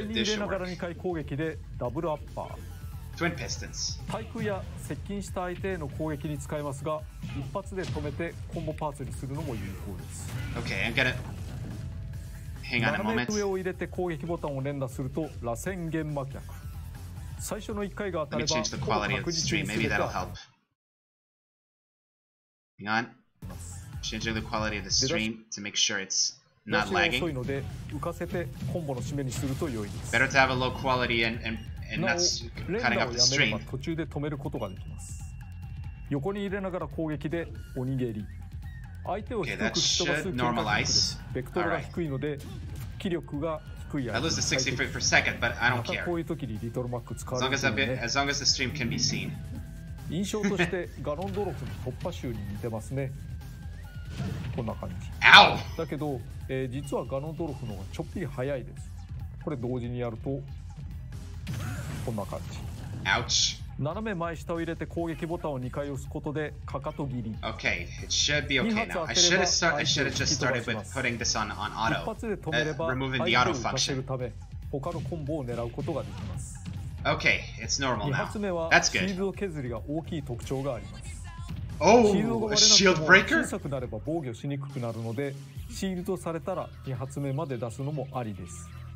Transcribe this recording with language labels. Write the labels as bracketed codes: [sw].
[ja] 上に入れながら2回攻撃でダブルアッパー、 [en] Twin Pistons. [ja] 対空や接近した相手への攻撃に使えますが、一発で止めてコンボパーツにするのも有効です。 [en] Okay, I'm gonna hang on a moment. [ja] 上を入れて攻撃ボタンを連打すると螺旋弦魔脚、最初の1回が当たれば、 [en] Let me change the quality of the stream. Maybe that'll help. Hang on. Changing the quality of the stream to make sure it's not lagging. [ja] 遅いので浮かせてコンボの締めにすると良いです。 [en] Better to have a low quality and not cutting off the stream. [ja] 途中で止めることができます。横に入れながら攻撃でおにぎり。相手を低く飛ばす計画です。ベクトルが低いので気力が低い。 [en] I lose the 60 frames per second, but I don't care. [ja] こういう時にリトルマック使われるので、 [en] as long as the stream can be seen. [ja] 印象としてガロンドロフの突破集に似てますね。こんな感じ。 [en] Ow! [ja] だけど、実はガロンドロフの方がちょっぴり早いです。これ同時にやるとこんな感じ。 [en] Ouch! [ja] 斜め前下を入れて攻撃ボタンを2回押すことでかかと切り。 [en] Okay, it should be okay now. I should have just started with putting this on auto. [ja] 一発で止めれば、 [en] Removing the auto function. [ja] 他のコンボを狙うことができます。 [en] Okay, it's normal now. [ja] 2発目はシールド削りが大きい特徴があります。 [en] Oh, a shield breaker? [ja] 小さくなれば防御しにくくなるので、シールドされたら2発目まで出すのもありです。